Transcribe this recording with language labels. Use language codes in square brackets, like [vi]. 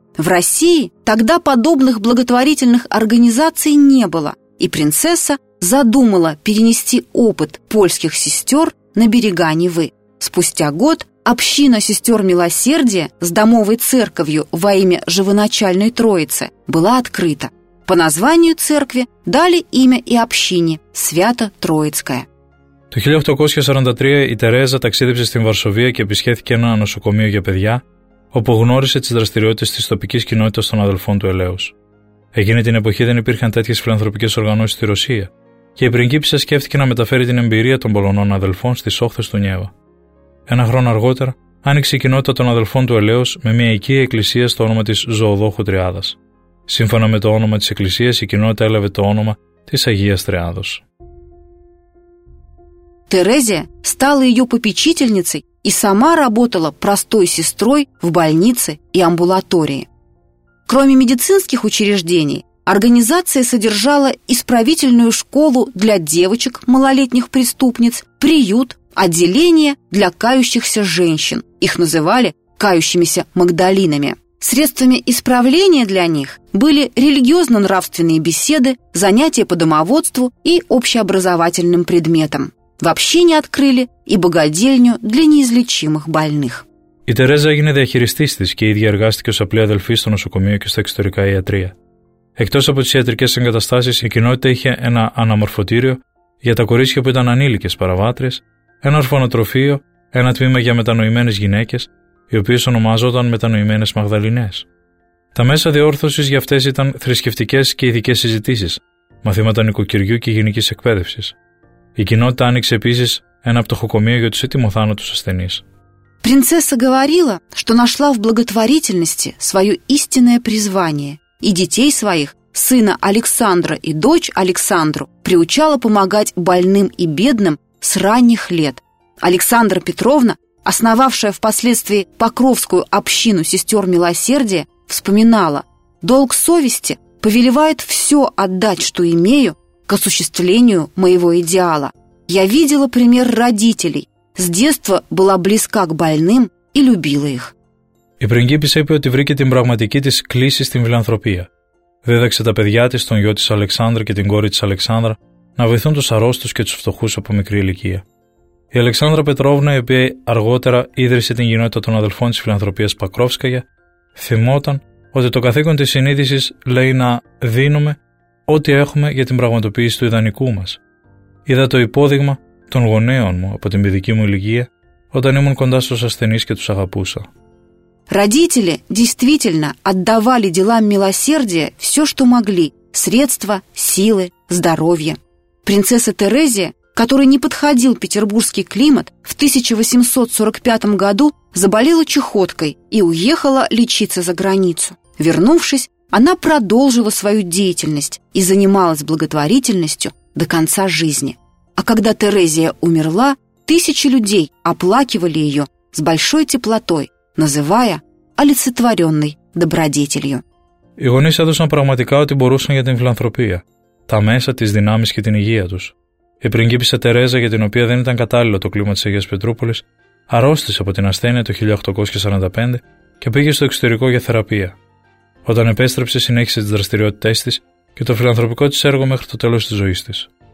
[ru] В России тогда подобных благотворительных организаций не было, и принцесса задумала перенести опыт польских сестер на берега Невы. Спустя год община сестер милосердия с домовой церковью во имя Живоначальной Троицы была открыта. По названию церкви дали имя и общине Свято-Троицкое. [el] Το 1843 η Τερέζα ταξίδεψε στην Βαρσοβία και επισκέφθηκε ένα νοσοκομείο για παιδιά, όπου γνώρισε τις δραστηριότητες της τοπικής κοινότητας των αδελφών του Ελέους. Εκείνη την εποχή δεν υπήρχαν τέτοιες φιλανθρωπικές οργανώσεις στη Ρωσία και η πριγκίπισσα σκέφτηκε να μεταφέρει την εμπειρία των Πολωνών αδελφών στις όχθες του Νιέβα. Ένα χρόνο αργότερα άνοιξε η κοινότητα των αδελφών του Ελέους με μια οικία εκκλησία στο όνομα της Ζωοδόχου Τριάδας. Σύμφωνα με το όνομα της εκκλησίας, η κοινότητα έλαβε το όνομα της Αγίας Τριάδος. [ru] Терезия стала ее попечительницей и сама работала простой сестрой в больнице и амбулатории. Кроме медицинских учреждений, организация содержала исправительную школу для девочек, малолетних преступниц, приют, отделение для кающихся женщин. Их называли «кающимися Магдалинами». Средствами исправления для них были религиозно-нравственные беседы, занятия по домоводству и общеобразовательным предметам. Вообще не открыли и богадельню для неизлечимых больных. [el] Η Τερέζα έγινε διαχειριστής της και ήδη εργάστηκε ως απλή αδελφή στο νοσοκομείο και στα εξωτερικά ιατρία. Εκτός από τις ιατρικές εγκαταστάσεις, η κοινότητα είχε ένα αναμορφωτήριο για τα κορίτσια που ήταν ανήλικες παραβάτριες, ένα ορφανοτροφείο, ένα τμήμα για μετανοημένες γυναίκες, οι οποίες ονομάζονταν Μετανοημένες Μαγδαληνές. Τα μέσα διόρθωσης για αυτές ήταν θρησκευτικές και ειδικές συζητήσεις, μαθήματα νοικοκυριού και γενικής εκπαίδευσης. Η κοινότητα άνοιξε επίσης ένα πτωχοκομείο για τους ετοιμοθάνατους ασθενείς. [ru] Принцесса говорила, что нашла в благотворительности свое истинное призвание, и детей своих, сына Александра и дочь Александру, приучала помогать больным и бедным с ранних лет. Александра Петровна, основавшая впоследствии Покровскую общину сестер милосердия, вспоминала: «Долг совести повелевает все отдать, что имею, к осуществлению моего идеала. Я видела пример родителей. С детства была близка к больным и любила их». [el] Η πριγκίπισσα είπε ότι βρήκε την πραγματική της κλίση στην φιλανθρωπία. Δίδαξε τα παιδιά της, τον γιο της Αλεξάνδρα και την κόρη της Αλεξάνδρα να βοηθούν τους αρρώστους και τους φτωχούς από μικρή ηλικία. Η Αλεξάνδρα Πετρόβνα, η οποία αργότερα ίδρυσε την κοινότητα των αδελφών της φιλανθρωπίας Πακρόφσκαγια, θυμόταν ότι το καθήκον της συνείδησης λέει να δίνουμε ό,τι έχουμε για την πραγματοποίηση του ιδανικού μας. Είδα το υπόδειγμα των γονέων μου από την παιδική μου ηλικία, όταν ήμουν κοντά στους ασθενείς και τους αγαπούσα. [ru] Родители действительно отдавали делам милосердия все, что могли – средства, силы, здоровье. Принцесса Терезия, которой не подходил петербургский климат, в 1845 году заболела чахоткой и уехала лечиться за границу. Вернувшись, она продолжила свою деятельность и занималась благотворительностью до конца жизни. А когда Терезия умерла, тысячи людей оплакивали ее с большой теплотой, называя олицетворенной добродетелью. [el] Οι γονείς έδωσαν πραγματικά ό,τι μπορούσαν για την φιλανθρωπία, τα μέσα, τις δυνάμεις και την υγεία τους. Η πριγκίπισσα Τερέζα, για την οποία δεν ήταν κατάλληλο το κλίμα της Αγίας Πετρούπολης, αρρώστησε από την ασθένεια το 1845 και πήγε στο εξωτερικό για θεραπεία. Όταν επέστρεψε, συνέχισε τις δραστηριότητές της και το φιλανθρωπικό της έργο μέχρι το τέλος της ζωής της.